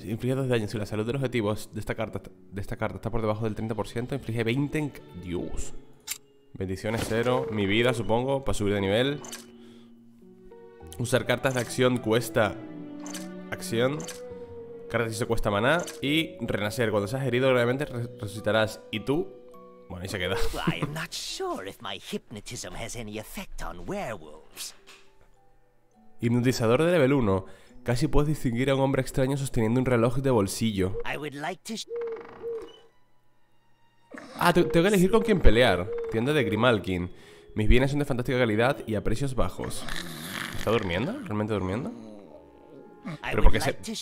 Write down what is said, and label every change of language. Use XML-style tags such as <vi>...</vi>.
<es>Inflige 2 daños. Si la salud del objetivo de esta carta está por debajo del 30%, inflige 20 en... Dios. Bendiciones 0. Mi vida, supongo, para subir de nivel. Usar cartas de acción cuesta acción. Cartas de acción cuesta maná. Y renacer. Cuando seas herido gravemente, resucitarás. Y tú... Bueno, ahí se queda.</es> <en>I'm not sure if my hypnotism has any effect on werewolves.</en> <es>Hipnotizador de nivel 1. Casi puedes distinguir a un hombre extraño sosteniendo un reloj de bolsillo.</es> <en>I would like to...</en> <es>Ah, tengo que elegir con quién pelear. Tienda de Grimalkin. Mis bienes son de fantástica calidad y a precios bajos. ¿Está durmiendo? ¿Realmente durmiendo? Pero porque se...</es>